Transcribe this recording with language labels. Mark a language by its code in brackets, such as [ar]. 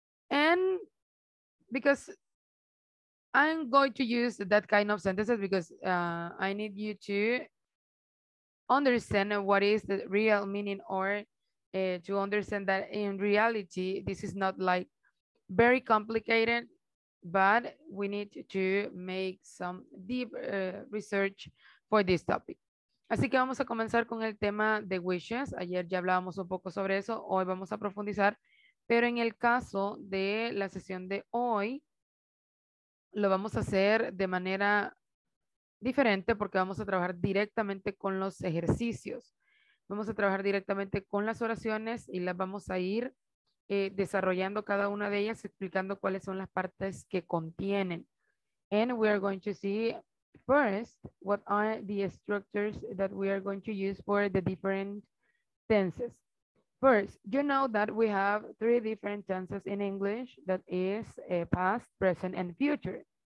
[en] And because I'm going to use that kind of sentences because I need you to understand what is the real meaning or to understand that in reality, this is not like very complicated, but we need to make some deep research for this topic. [es] Así que vamos a comenzar con el tema de wishes. Ayer ya hablábamos un poco sobre eso. Hoy vamos a profundizar. Pero en el caso de la sesión de hoy, lo vamos a hacer de manera diferente porque vamos a trabajar directamente con los ejercicios. Vamos a trabajar directamente con las oraciones y las vamos a ir desarrollando cada una de ellas, explicando cuáles son las partes que contienen. [en] And we are going to see first what are the structures that we are going to use for the different tenses. First, you know that we have three different tenses in English, that is past, present, and future.